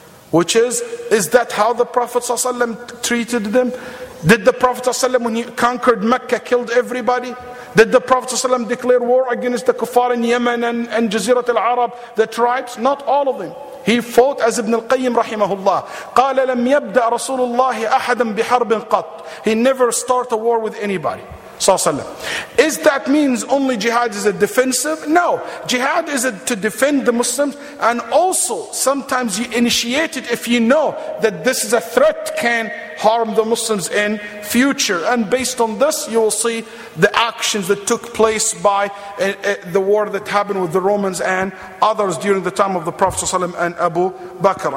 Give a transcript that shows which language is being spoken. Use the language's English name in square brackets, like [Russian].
[English] Which is that how the Prophet ﷺ treated them? Did the Prophet ﷺ, when he conquered Mecca, killed everybody? Did the Prophet ﷺ declare war against the kuffar in Yemen and Jazirat al-Arab, the tribes? Not all of them. He fought as Ibn al-Qayyim rahimahullah. [Arabic] قال لم يبدأ رسول الله أحدا بحرب قط. [English] He never started a war with anybody. [Arabic] وسلم. [English] Is that means only jihad is a defensive? No. Jihad is to defend the Muslims, and also sometimes you initiate it if you know that this is a threat can harm the Muslims in future. And based on this, you will see the actions that took place by the war that happened with the Romans and others during the time of the Prophet ﷺ and Abu Bakr.